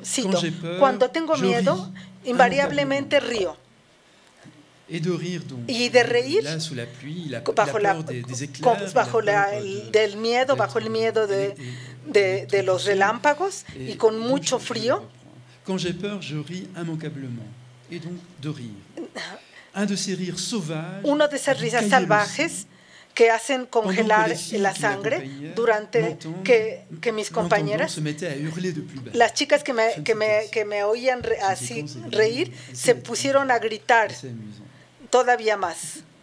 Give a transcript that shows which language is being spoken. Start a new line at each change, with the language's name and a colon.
Spanish: Cito: cuando tengo miedo, invariablemente río. Y de reír, bajo el miedo de los relámpagos y con mucho frío.
French: Quand j'ai peur, je ris immanquablement. Et donc de rire. Un de ces rires sauvages.
Spanish: Uno de esas risas salvajes que hacen congelar la sangre durante que mis compañeras, las chicas que me oían así reír, se pusieron a gritar todavía más.